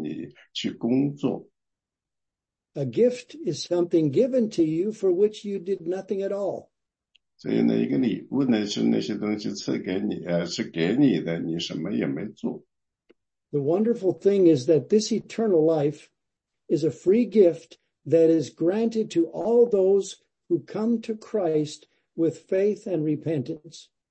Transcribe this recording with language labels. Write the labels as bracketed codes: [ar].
[zh] 一个工资呢,是那些东西呢,就是给你的,因为你去工作。 [en] A gift is something given to you for which you did nothing at all. [zh] 所以呢,一个礼物呢,是那些东西赐给你,是给你的,你什么也没做。 [en] The wonderful thing is that this eternal life is a free gift that is granted to all those who come to Christ with faith and repentance.